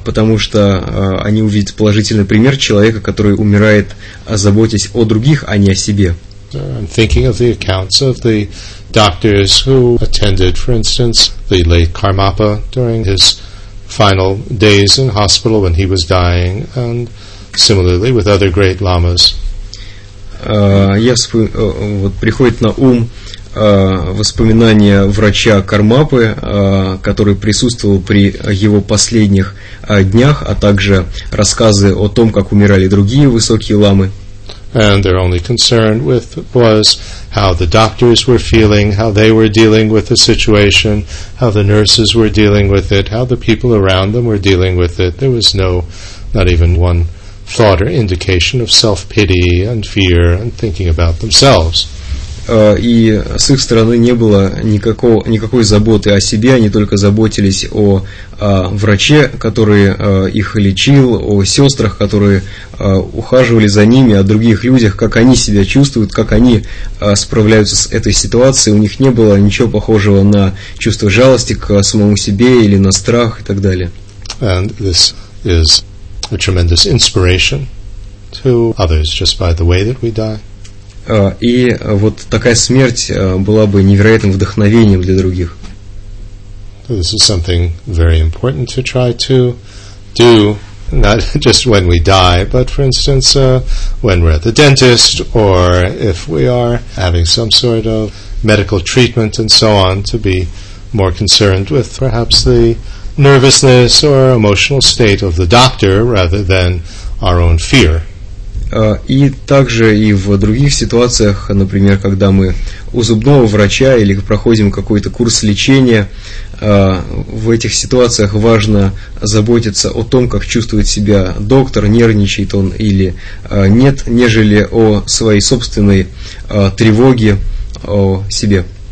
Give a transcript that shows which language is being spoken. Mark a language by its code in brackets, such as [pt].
[ru] Потому что они увидят положительный пример человека, который умирает, заботясь о других, а не о себе. [en] I'm thinking of the accounts of the doctors who attended, for instance, the late Karmapa during his final days in hospital when he was dying, and similarly with other great lamas. [ru] Вот приходит на ум воспоминания врача Кармапы, который присутствовал при его последних днях, а также рассказы о том, как умирали другие высокие ламы. [en] And their only concern with was how the doctors were feeling, how they were dealing with the situation, how the nurses were dealing with it, how the people around them were dealing with it. There was not even one thought or indication of self-pity and fear and thinking about themselves. [ru] И с их стороны не было никакой заботы о себе, они только заботились о враче, который их лечил, о сестрах, которые ухаживали за ними, о других людях, как они себя чувствуют, как они справляются с этой ситуацией. У них не было ничего похожего на чувство жалости к самому себе или на страх и так далее. [en] And this is a tremendous inspiration to others just by the way that we die. [ru] И вот такая смерть была бы невероятным вдохновением для других. [en] This is something very important to try to do, not just when we die, but, for instance, when we're at the dentist, or if we are having some sort of medical treatment and so on, to be more concerned with perhaps the nervousness or emotional state of the doctor rather than our own fear. [ru] И также и в других ситуациях, например, когда мы у зубного врача или проходим какой-то курс лечения, в этих ситуациях важно заботиться о том, как чувствует себя доктор, нервничает он или нет, нежели о своей собственной тревоге о себе.